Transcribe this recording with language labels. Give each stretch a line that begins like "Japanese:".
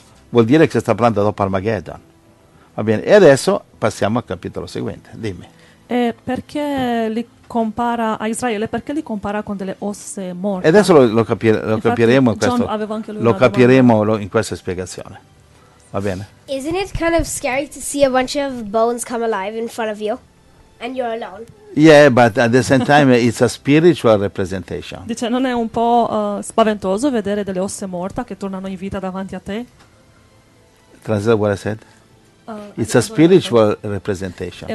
Italian: vuol dire che si sta parlando dopo Armageddon. Va bene, e adesso passiamo al capitolo seguente, dimmi. Perché li compara a Israele? Perché li compara con delle osse morte? E adesso lo capiremo in questo. Lo capiremo in questa spiegazione. Va bene.
English: Isn't it kind of scary to see a bunch of bones come alive in front of you and you're alone? Yeah, but at the same time it's a spiritual representation.
Italian: Dice, non è un po' spaventoso vedere delle osse morte che tornano in vita davanti a te?
English: Translate what I said. It's a spiritual representation.